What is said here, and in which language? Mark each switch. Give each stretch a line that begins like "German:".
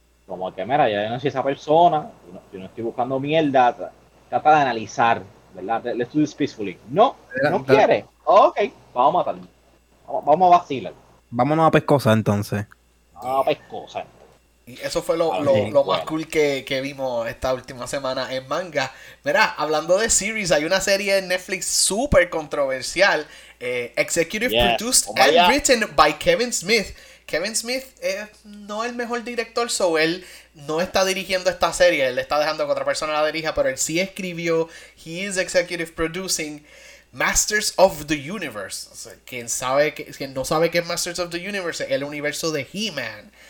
Spanish: Como que, mira, ya no soy esa persona, yo no estoy buscando mierda, trata de analizar, ¿verdad?
English: Let's do this peacefully.
Spanish: No, no quiere. Ok, vamos a matar. Vamos a vacilar. Vámonos a pescosa entonces. Vamos a pescosa. Y eso fue lo más cool que vimos esta última semana en manga. Mira, hablando de series, hay una serie en Netflix súper controversial.
English: Executive produced and written by Kevin Smith.
Spanish: Kevin Smith es no el mejor director, so él no está dirigiendo esta serie. Él está dejando que otra persona la dirija, pero él sí escribió.
English: He is executive producing Masters of the Universe.
Spanish: O sea, quien sabe quien no sabe qué es Masters of the Universe, es el universo de He-Man.